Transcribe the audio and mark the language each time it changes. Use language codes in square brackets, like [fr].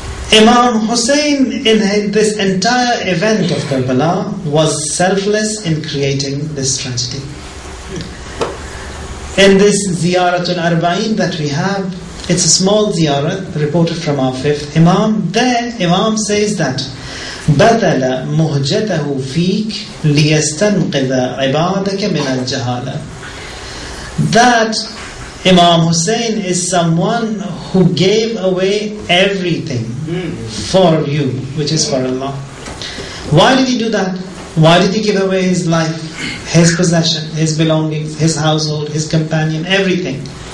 [en] Imam Hussein, in this entire event of Karbala, was selfless in creating this tragedy. In this Ziyaratul Arba'in that we have, it's a small ziyarat reported from our fifth Imam. There, Imam says that [ar] بَذَلَ مُهْجَتَهُ فِيكْ لِيَسْتَنْقِذَ عِبَادَكَ مِنَ الْجَهَالَ. [en] That Imam Hussein is someone who gave away everything for you, which is for Allah. Why did he do that? Why did he give away his life, his possession, his belongings, his household, his companion, everything?